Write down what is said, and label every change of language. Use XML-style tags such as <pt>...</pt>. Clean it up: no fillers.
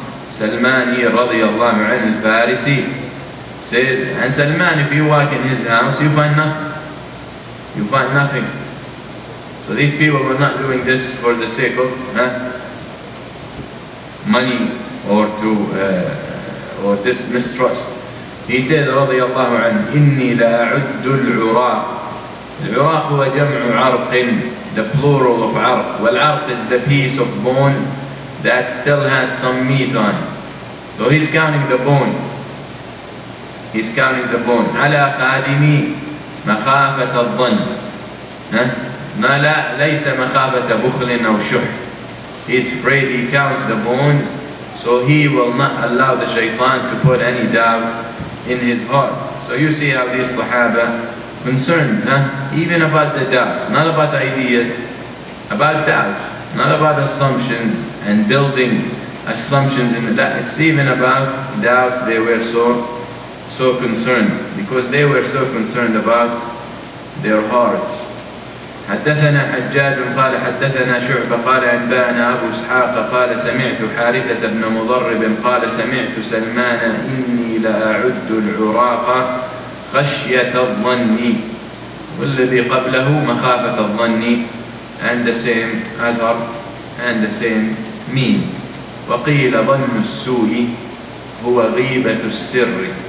<en>سلمان رضي الله عنه الفارسي says, and Salman, if you walk in his house, you find nothing. You find nothing. So these people were not doing this for the sake of money or to or this mistrust. He said,</en> <ar>رضي الله عنه, إني لأعد العراق. العراق هو جمع عرق,</ar> <en>the plural of</en> <ar>عرق.</ar> <en>والعرق is the piece of bone that still has some meat on it. So he's counting the bone. He's counting the bone.</en> <ar>على خادمي مخافة الظن. ما لا ليس مخافة بخل أو شح.</ar> <en>He's afraid, he counts the bones, so he will not allow the shaitan to put any doubt in his heart. So you see how these sahaba concerned, even about the doubts, not about ideas, about doubts, not about assumptions and building assumptions in the doubt. It's even about doubts they were so concerned, because they were so concerned about their hearts.</en> <ar>حدثنا حجاج قال حدثنا شعبة قال أنبأنا أبو إسحاق قال سمعت حارثة بن مضرب قال سمعت سلمان إني لأعد العراق خشية الظن. والذي قبله مخافة الظن.</ar> <en>And the same أثر and the same mean.</en> <ar>وقيل ظن السوء هو غيبة السر.</ar>